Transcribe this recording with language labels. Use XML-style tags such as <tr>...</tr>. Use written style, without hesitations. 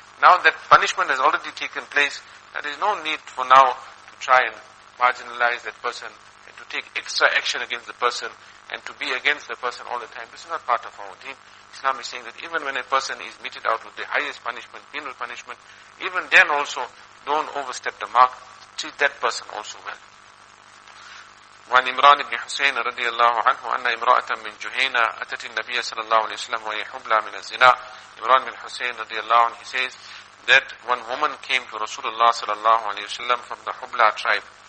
<en>Now that punishment has already taken place, there is no need for now to try and marginalize that person, and to take extra action against the person, and to be against the person all the time. This is not part of our deen. Islam is saying that even when a person is meted out with the highest punishment, penal punishment, even then also, don't overstep the mark. Treat that person also well.</en> <ar>وعن إمران بن حسين رضي الله عنه أن إمرأة من جهينة أتت النبي صلى الله عليه وسلم وهي حبلى من الزنا. إمران بن حسين رضي الله عنه,</ar> <en>he says that one woman came to Rasulullah</en> <ar>صلى الله عليه وسلم</ar> <en>from the حبلى tribe.</en>